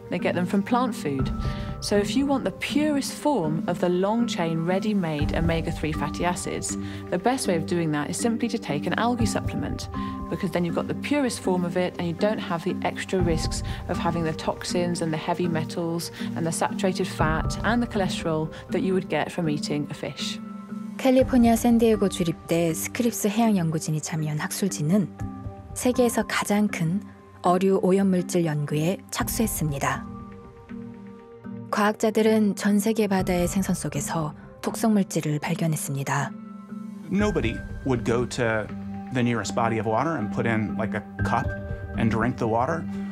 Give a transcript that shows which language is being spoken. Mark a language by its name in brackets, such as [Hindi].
[English] They get them from plant food. So if you want the purest form of the long chain ready-made omega-3 fatty acids, the best way of doing that is simply to take an algae supplement, because then you've got the purest form of it and you don't have the extra risks of having the toxins and the heavy metals and the saturated fat and the cholesterol that you would get from eating a fish. [Korean] 캘리포니아 샌디에고 주립대 스크립스 해양연구진이 참여한 학술진은 세계에서 가장 큰 어류 오염물질 연구에 착수했습니다. 과학자들은 전 세계 바다의 생선 속에서 독성 물질을 발견했습니다. [English] Nobody would go to the nearest body of water and put in like a cup and drink the water.